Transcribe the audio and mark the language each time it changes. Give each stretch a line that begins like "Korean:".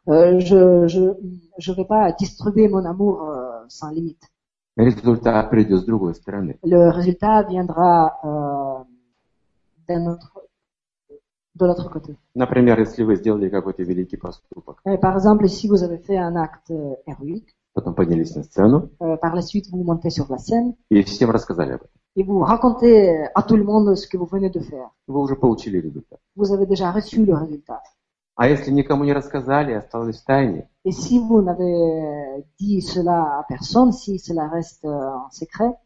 French: Je ne vais pas distribuer mon amour sans limite.
Russian: Результат придет с другой стороны.
French: Le résultat viendra de l'autre côté.
Russian: Например, если вы сделали какой-то великий поступок.
French: Par exemple, si vous avez fait un acte héroïque.
Russian: Потом поднялись на сцену.
French: Par la suite, vous montez sur la scène.
Russian: И всем рассказали об этом.
French: Et vous racontez à tout le monde ce que vous venez de faire.
Russian: Вы уже получили результат.
French: Vous avez déjà reçu le résultat.
Russian: А если никому не рассказали, осталось в тайне.
French: Et si vous n'avez dit cela à personne, si cela reste en secret.